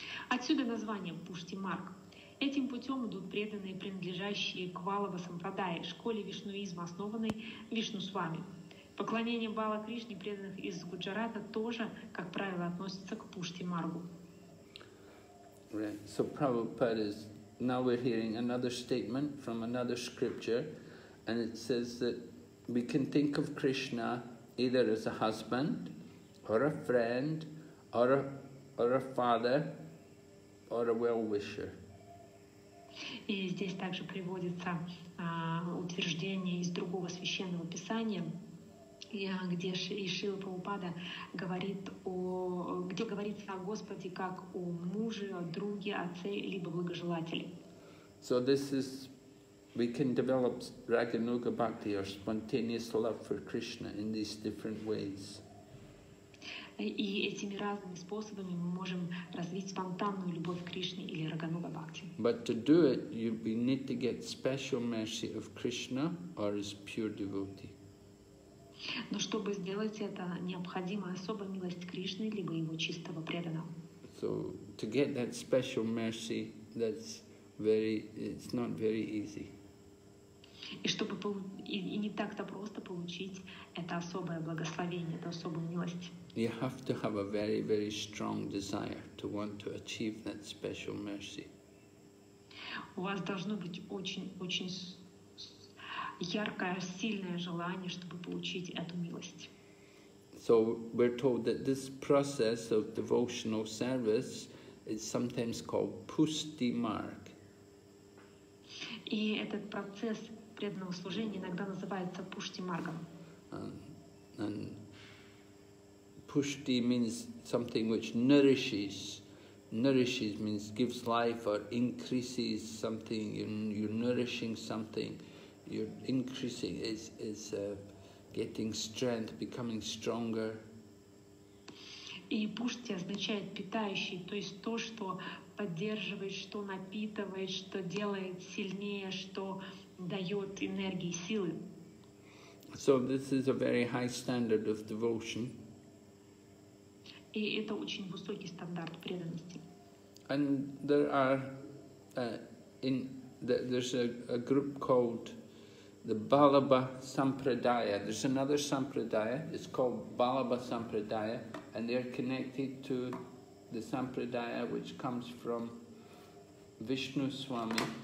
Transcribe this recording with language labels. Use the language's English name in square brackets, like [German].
[Russian] Отсюда название Пуштимарг. Этим путем идут преданные, принадлежащие к Валава Сампрадае, школе вишнуизма, основанной Вишнусвами. Поклонение Бала Кришне преданных из Гуджарата тоже, как правило, относится к Пуштимаргу. [English] Right. So Prabhupada is, now we're hearing another statement from another scripture, and it says that we can think of Krishna either as a husband, or a friend, or a father, or a well-wisher. [Russian] И здесь также приводится утверждение из другого священного писания, где Шрила Прабхупада говорит о, где говорится о Господе как о муже, о друге, отце, либо благожелателе. [English] So this is, we can develop Raganuga Bhakti or spontaneous love for Krishna in these different ways. [Russian] И этими разными способами мы можем развить спонтанную любовь к Кришне или Рагануга Бхакти. [English] But to do it, we need to get special mercy of Krishna or his pure devotee. [Russian] Но чтобы сделать это, необходима особая милость Кришны либо его чистого преданного. [English] So to get that special mercy, that's very, it's not very easy. [Russian] И чтобы и не так-то просто получить это особое благословение, это особую милость. [English] You have to have a very, very strong desire to want to achieve that special mercy. [Russian] У вас должно быть очень-очень яркое, сильное желание, чтобы получить эту милость. [English] So we're told that this process of devotional service is sometimes called Pustimarg. [Russian] И этот процесс преданного служения иногда называется Пуштимаргом. [English] Pushti means something which nourishes. Nourishes means gives life or increases something. You're nourishing something. You're increasing. It's getting strength, becoming stronger. [Russian] И пушти означает питающий, то есть то, что поддерживает, что напитывает, что делает сильнее, что дает энергии, силы. [English] So this is a very high standard of devotion. [Russian] И это очень высокий стандарт преданности. [English] And there are there's a group called the Balaba Sampradaya. There's another Sampradaya. It's called Balaba Sampradaya, and they're connected to the Sampradaya which comes from Vishnu Swami.